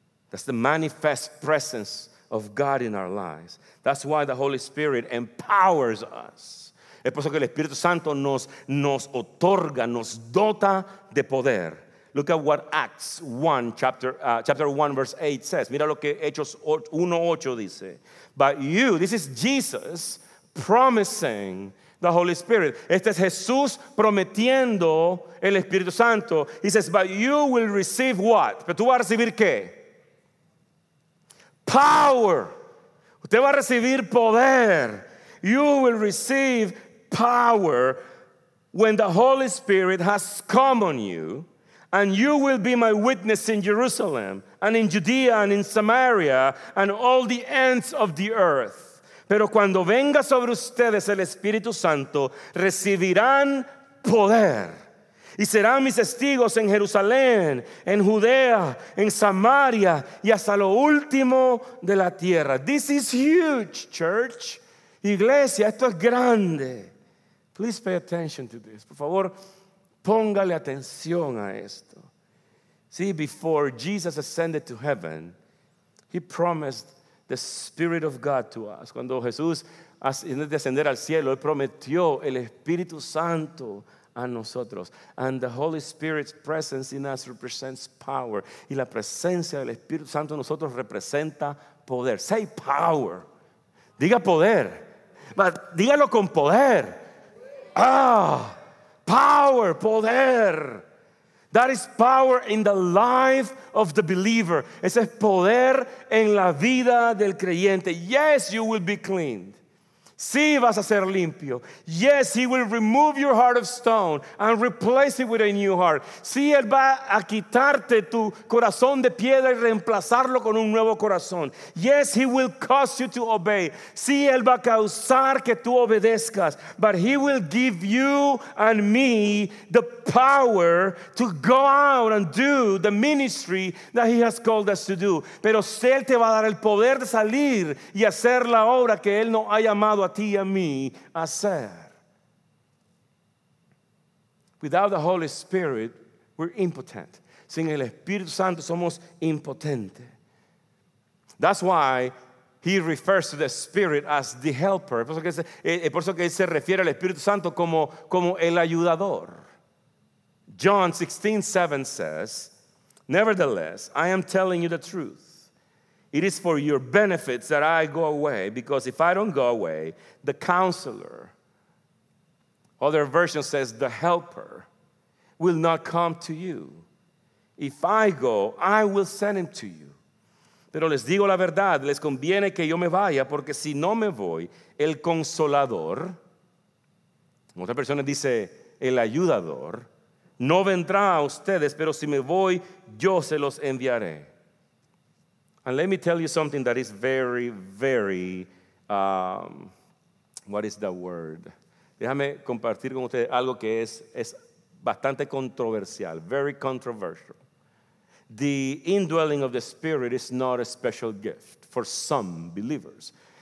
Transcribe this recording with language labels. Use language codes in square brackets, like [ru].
[en] That's the manifest presence of God in our lives. That's why the Holy Spirit empowers us. [es] Es por eso que el Espíritu Santo nos otorga, nos dota de poder. [en] Look at what Acts 1, chapter 1, verse 8 says. [es] Mira lo que Hechos 1, 8 dice. [en] But you, this is Jesus promising the Holy Spirit. [es] Este es Jesús prometiendo el Espíritu Santo. [en] He says, but you will receive what? [es] Pero tú vas a recibir qué? [en] Power. [es] Usted va a recibir poder. [en] You will receive power when the Holy Spirit has come on you, and you will be my witness in Jerusalem and in Judea and in Samaria and all the ends of the earth. [es] Pero cuando venga sobre ustedes el Espíritu Santo, recibirán poder. Y serán mis testigos en Jerusalén, en Judea, en Samaria y hasta lo último de la tierra. [en] This is huge, church. [es] Iglesia, esto es grande. [en] Please pay attention to this. [es] Por favor, póngale atención a esto. [en] See, before Jesus ascended to heaven, he promised the Spirit of God to us. [es] Cuando Jesús ascendió al cielo, él prometió el Espíritu Santo a nosotros. [en] And the Holy Spirit's presence in us represents power. [es] Y la presencia del Espíritu Santo en nosotros representa poder. [en] Say power. [es] Diga poder. But dígalo con poder. [en] Ah, power, poder. That is power in the life of the believer. [es] Ese es poder en la vida del creyente. [en] Yes, you will be cleaned. [es] Sí, vas a ser limpio. [en] Yes, he will remove your heart of stone and replace it with a new heart. [es] Sí, él va a quitarte tu corazón de piedra y reemplazarlo con un nuevo corazón. [en] Yes, he will cause you to obey. [es] Sí, él va a causar que tú obedezcas. [en] But he will give you and me the power to go out and do the ministry that he has called us to do. [es] Pero él te va a dar el poder de salir y hacer la obra que él no ha llamado a ti y a mí hacer. [en] Without the Holy Spirit, we're impotent. [es] Sin el Espíritu Santo somos impotentes. [en] That's why he refers to the Spirit as the helper. [es] Por eso que se refiere al Espíritu Santo como el ayudador. [en] John 16:7 says, nevertheless, I am telling you the truth. It is for your benefits that I go away, because if I don't go away, the counselor, other version says the helper, will not come to you. If I go, I will send him to you. [es] Pero les digo la verdad, les conviene que yo me vaya, porque si no me voy, el Consolador, en otras versiones dice el Ayudador, no vendrá a ustedes, pero si me voy, yo se los enviaré. [en] And let me tell you something that is very, very, what is the word? [es] Déjame compartir con ustedes algo que es bastante controversial, [en] very controversial. The indwelling of the Spirit is not a special gift for some believers.